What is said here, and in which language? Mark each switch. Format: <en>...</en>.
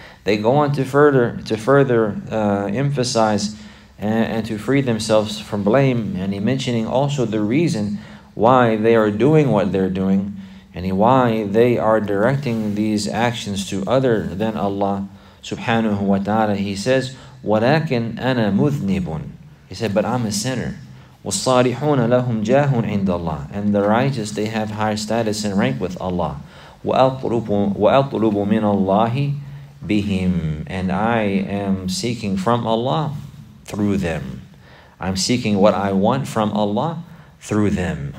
<en>They go on to further emphasize and to free themselves from blame, and he mentioning also the reason why they are doing what they're doing, and why they are directing these actions to other than Allah subhanahu wa ta'ala. He says,</en> <ar>وَلَكِنْ أَنَا مُذْنِبٌ.</ar> <en>He said, but I'm a sinner.</en> <ar>وَالصَّالِحُونَ لَهُمْ جَاهٌ عِنْدَ اللَّهِ.</ar> <en>And the righteous, they have high status and rank with Allah.</en> <ar>وَأَطْلُبُ مِنَ اللَّهِ بِهِمْ.</ar> <en>And I am seeking from Allah through them. I'm seeking what I want from Allah through them.</en>